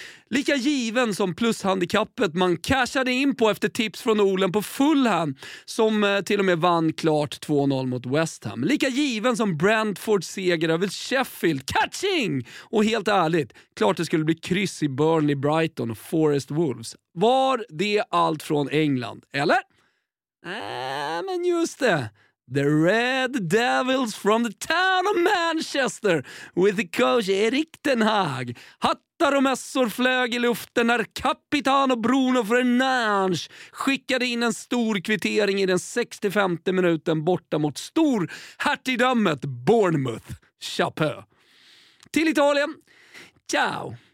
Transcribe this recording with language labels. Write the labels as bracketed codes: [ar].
[sv] Lika given som plushandikappet man cashade in på efter tips från Olen på Fulham, som till och med vann klart 2-0 mot West Ham. Lika given som Brentfords seger över Sheffield. Catching! Och helt ärligt, klart det skulle bli kryss i Burnley, Brighton och Forest Wolves. Var det allt från England, eller? Men just det. [en] The Red Devils from the town of Manchester with the coach Erik ten Hag. [sv] Hattar och mässor flög i luften när kapitano Bruno Fernandes skickade in en stor kvittering i den 65:e minuten borta mot stor hertigdömet Bournemouth. Chapeau. Till Italien. Ciao.